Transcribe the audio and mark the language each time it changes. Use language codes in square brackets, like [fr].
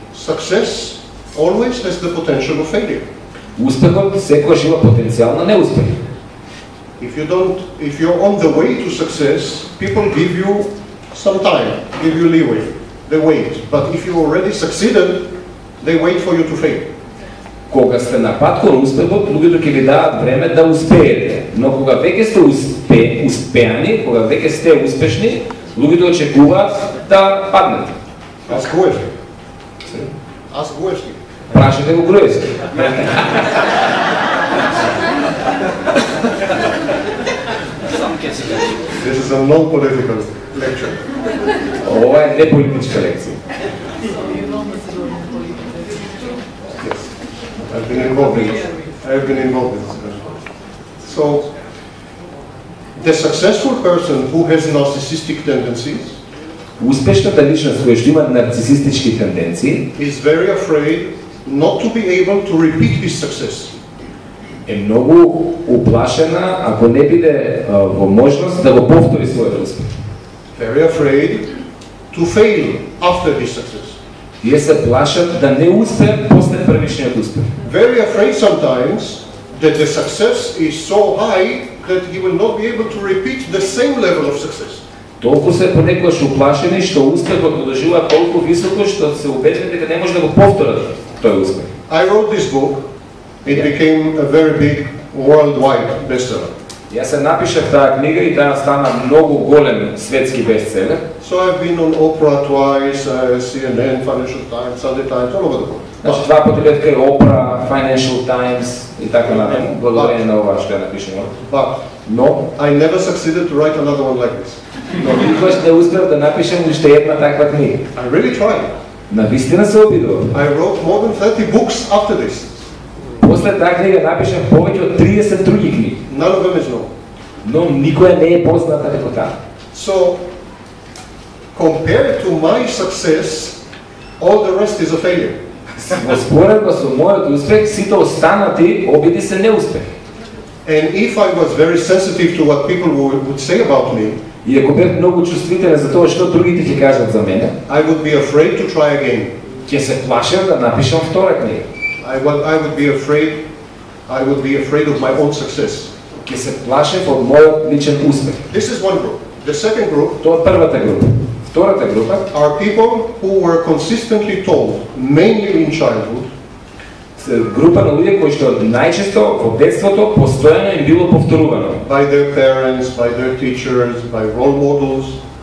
[en] Success always has the potential of failure. [mk] Успехот секогаш има потенцијал на неуспех. [en] If you're on the way to success, people give you some time, give you leeway, they wait. But if you already succeeded, they wait for you to fail. [mk] Кога сте на пат кон успехот, луѓето ќе ви дадат време да успеете. Но кога веќе сте успеани, кога веќе сте успешни, луѓето очекуваат да паднете. [en] Ask Гуевски. Ask Гуевски. [mk] Прашате го Гуевски. [en] This is a non-political lecture. [mk] Ова е неполитичка лекција. [en] I have been involved in this. So, the successful person who has narcissistic tendencies, [mk] успешната личност која има нарцисистички тенденции, [en] is very afraid not to be able to repeat his success. [mk] Е многу уплашена ако не биде во можност да го повтори својот успех. [en] Very afraid to fail after this success. [mk] Тие се плашат да не успеат после првишниот успех. [en] Very afraid sometimes that the success is so high that he will not be able to repeat the same level of success. [mk] Толку се понекогаш уплашени што успехот го доживува толку високо што се убедени дека не може да го повторат тој успех. [en] I wrote this book. It became a very big worldwide bestseller. [mk] Јас се напишав таа книга и таа стана многу голем светски бестселер. [en] So I've been on Oprah twice, CNN, Financial Times, Sunday Times, all over the world. [mk] Значи два пати бев кај Oprah, Financial Times и така натаму. Благодарение на ова што ја напишав. [en] But no, I never succeeded to write another one like this. [mk] Но никогаш не успев да напишам уште една таква книга. [en] I really tried. [mk] Навистина се обидов. [en] I wrote more than 30 books after this. [mk] После таа книга напишав повеќе од 30 други книги. [en] None of them is known. [mk] Но никоја не е позната како таа. [en] So, compared to my success, all the rest is a failure. [mk] Во споредба со мојот успех, сите останати обиди се неуспех. [en] And if I was very sensitive to what people would say about me, [mk] и ако бев многу чувствителен за тоа што другите ќе кажат за мене, [en] I would be afraid to try again. [mk] Ќе се плашев да напишам втора книга. [en] I would be afraid of my own success. [mk] Ќе се плашев од мојот личен успех. [en] This is one group. The second group. [mk] Тоа е првата група. Втората група. [en] Are people who were consistently told, mainly in childhood. [mk] Се група на луѓе кои што најчесто во детството постојано им било повторувано. [en] By their parents, by their teachers, by role models.